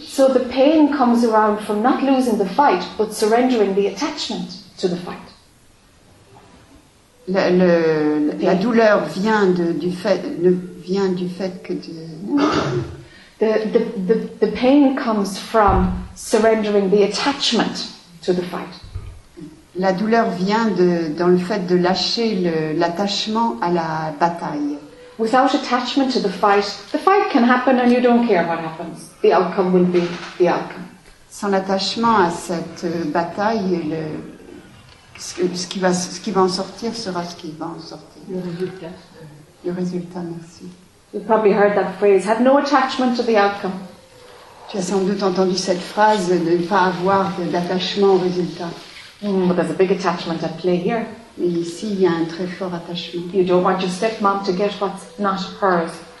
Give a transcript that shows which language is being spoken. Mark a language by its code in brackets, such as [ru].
[en] So the pain comes around from not losing the fight, but surrendering the attachment to the fight. [fr] La douleur vient du fait que de. [en] The pain comes from surrendering the attachment to the fight. [fr] La douleur vient dans le fait de lâcher l'attachement à la bataille. [en] Without attachment to the fight can happen and you don't care what happens. The outcome will be the outcome. [fr] Sans l'attachement à cette bataille, ce qui va en sortir sera ce qui va en sortir. Le résultat, merci. [en] You've probably heard that phrase, have no attachment to the outcome. [fr] Tu as sans doute entendu cette phrase, de ne pas avoir d'attachement au résultat. [en] But there's a big attachment at play here. [fr] Mais ici, il y a un très fort attachement. [en] You don't want your stepmom to get what's not hers.